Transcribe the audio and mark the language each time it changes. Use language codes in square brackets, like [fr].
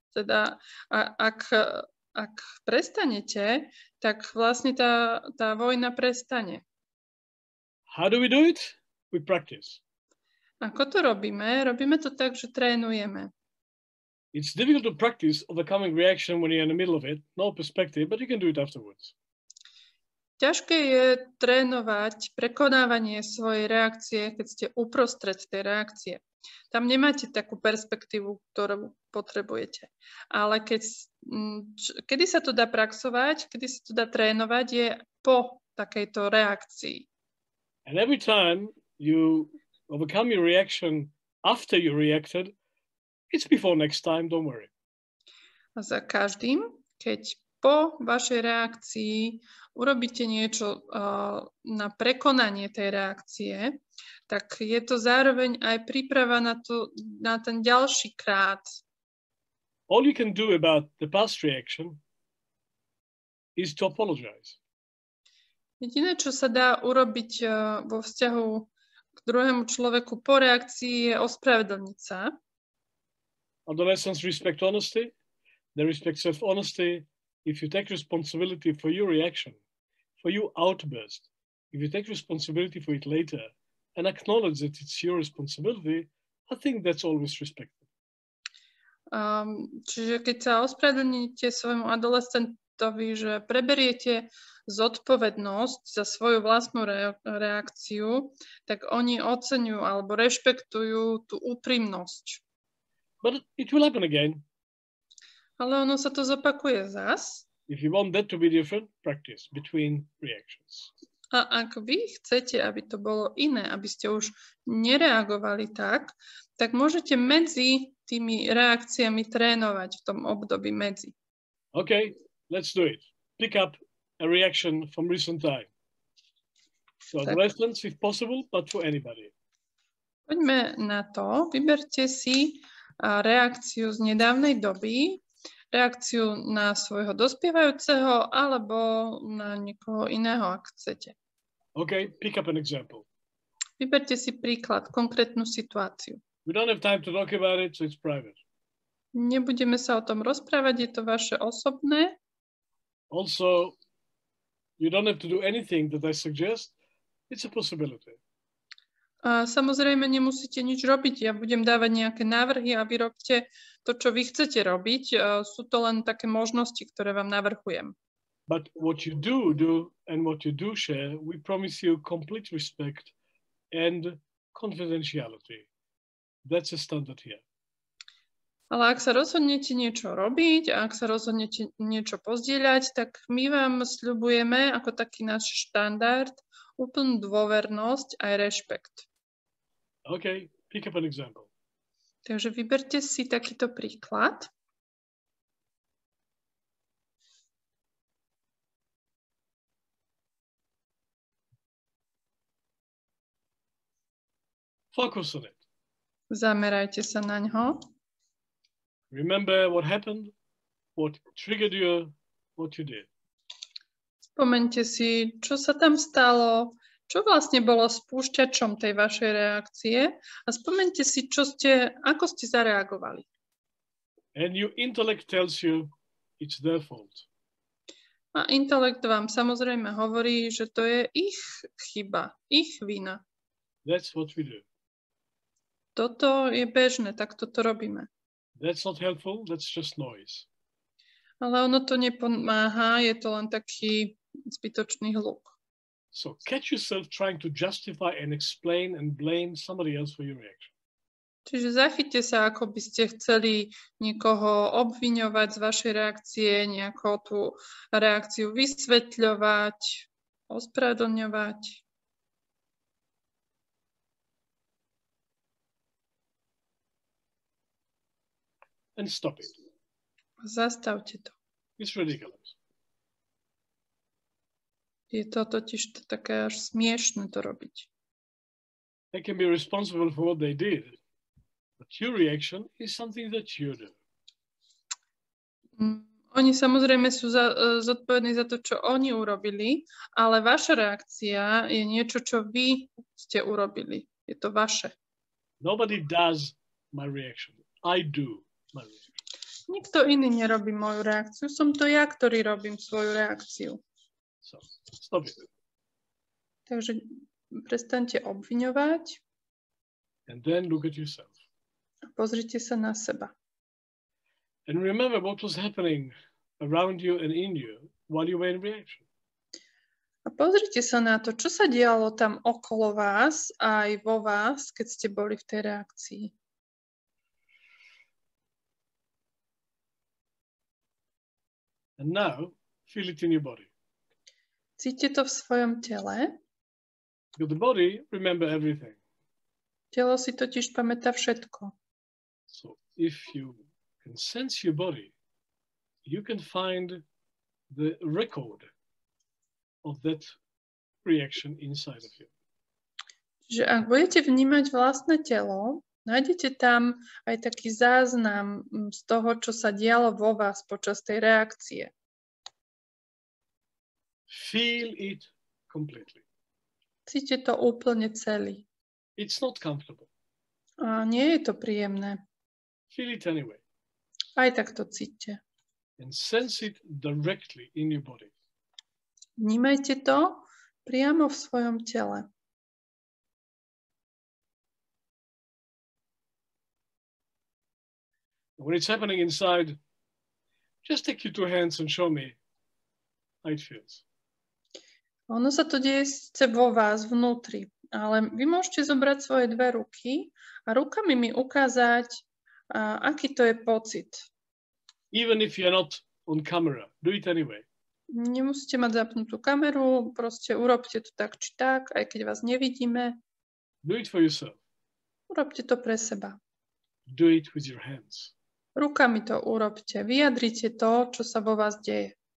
[sk] Teda ak prestanete, tak vlastne tá vojna prestane. [en] How do we do it? We practice. [sk] Ako to robíme? Robíme to tak, že trénujeme. [en] It's difficult to practice overcoming reaction when you're in the middle of it. No perspective, but you can do it afterwards. [sk] Ťažké je trénovať prekonávanie svojej reakcie, keď ste uprostred tej reakcie. Tam nemáte takú perspektívu, ktorú potrebujete. Ale kedy sa to dá praxovať, kedy sa to dá trénovať, je po takejto reakcii. [en] And every time you overcome your reaction after you reacted, it's before next time, don't worry. [sk] A za každým, keď po vašej reakcii urobíte niečo na prekonanie tej reakcie, tak je to zároveň aj príprava na to, na ten ďalší krát. [en] All you can do about the past reaction is to apologize. [sk] Jediné, čo sa dá urobiť vo vzťahu k druhému človeku po reakcii, je ospravedlniť sa. [en] Adolescents respect honesty. They respect self-honesty. If you take responsibility for your reaction, for your outburst, if you take responsibility for it later and acknowledge that it's your responsibility, I think that's always respectful. [sk] Čiže keď sa ospravedlníte svojmu adolescentovi, že preberiete zodpovednosť za svoju vlastnú reakciu, tak oni oceňujú alebo rešpektujú tú úprimnosť. [en] But it will happen again. [sk] Ale ono sa to zopakuje zas. [en] If you want that to be different, practice between reactions. [sk] A ak vy chcete, aby to bolo iné, aby ste už nereagovali tak, tak môžete medzi tými reakciami trénovať v tom období medzi. [en] Okay, let's do it. Pick up a reaction from recent time. So adolescents, if possible, but for anybody. [sk] Poďme na to. Vyberte si reakciu z nedávnej doby, reakciu na svojho dospievajúceho alebo na niekoho iného, ak chcete. [en] Okay, pick up an example. [sk] Vyberte si príklad, konkrétnu situáciu. [en] We don't have time to talk about it, so it's private. [sk] Nebudeme sa o tom rozprávať, je to vaše osobné. [en] Also, you don't have to do anything that I suggest. It's a possibility. [sk] Samozrejme, nemusíte nič robiť. Ja budem dávať nejaké návrhy a vy robte to, čo vy chcete robiť. Sú to len také možnosti, ktoré vám navrhujem. [en] But what you do and what you do share, we promise you complete respect and confidentiality. That's a standard here. [sk] Ale ak sa rozhodnete niečo robiť, ak sa rozhodnete niečo pozdieľať, tak my vám sľubujeme ako taký náš štandard úplnú dôvernosť a rešpekt. [en] Okay, pick up an example. [sk] Takže vyberte si takýto príklad. [en] Focus on it. [sk] Zamerajte sa na ňo. [en] Remember what happened, what triggered you, what you did. [sk] Spomeňte si, čo sa tam stalo, čo vlastne bolo spúšťačom tej vašej reakcie a spomeňte si, čo ste, ako ste zareagovali. [en] And your intellect tells you it's their fault. [sk] A intelekt vám samozrejme hovorí, že to je ich chyba, ich vina. [en] That's what we do. [sk] Toto je bežné, tak toto robíme. [en] That's not helpful, that's just noise. [sk] Ale ono to nepomáha, je to len taký zbytočný hluk. [en] So catch yourself trying to justify and explain and blame somebody else for your reaction. [sk] Čiže zachyťte sa, ako by ste chceli niekoho obviňovať z vašej reakcie, nejako tú reakciu vysvetľovať, ospravedlňovať. [en] And stop it. [sk] Zastavte to. [en] It's ridiculous. [sk] Je to totiž to také až smiešne to robiť. [en] They can be responsible for what they did. But your reaction is something that you do. [sk] Oni samozrejme sú zodpovední za to, čo oni urobili, ale vaša reakcia je niečo, čo vy ste urobili. Je to vaše. [en] Nobody does my reaction. I do my reaction. [sk] Nikto iný nerobí moju reakciu. Som to ja, ktorý robím svoju reakciu. [en] So. Stop it. [sk] Takže prestaňte obviňovať. [en] And then look at yourself. [sk] A pozrite sa na seba. [en] And remember what was happening around you and in you while you were in reaction. [sk] A pozrite sa na to, čo sa dialo tam okolo vás a aj vo vás, keď ste boli v tej reakcii. [en] And now feel it in your body. [sk] Cítite to v svojom tele? [en] The body remember everything. [sk] Telo si totiž pamätá všetko. [en] So if you can sense your body, you can find the record of that reaction inside of you. [sk] Že ak budete vnímať vlastné telo, nájdete tam aj taký záznam z toho, čo sa dialo vo vás počas tej reakcie. [en] Feel it completely. [sk] Cítite to úplne celý. [en] It's not comfortable. [sk] A nie je to príjemné. [en] Feel it anyway. [sk] Aj tak to cítite. [en] And sense it directly in your body. [sk] Vnímajte to priamo v svojom tele. [en] When it's happening inside, just take your two hands and show me how it feels. [sk] Ono sa to deje síce vo vás vnútri, ale vy môžete zobrať svoje dve ruky a rukami mi ukázať, aký to je pocit. [en] Even if you're not on camera, do it anyway. [sk] Nemusíte mať zapnutú kameru, proste urobte to tak či tak, aj keď vás nevidíme. [en] Do it for yourself. [sk] Urobte to pre seba. [en] Do it with your hands. [sk] Rukami to urobte, vyjadrite to, čo sa vo vás deje.